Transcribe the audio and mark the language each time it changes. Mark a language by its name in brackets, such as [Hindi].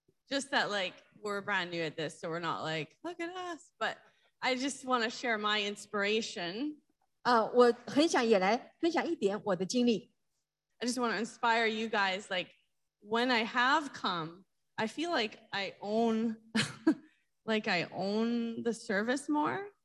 [English] Just that, like, we're brand new at this, so we're not like, look at us, but I just want to share my inspiration. [Chinese] 我很想也来分享一点我的经历。 [English] I just want to inspire you guys, like, when I have come, I feel like I own, like, I own the service more.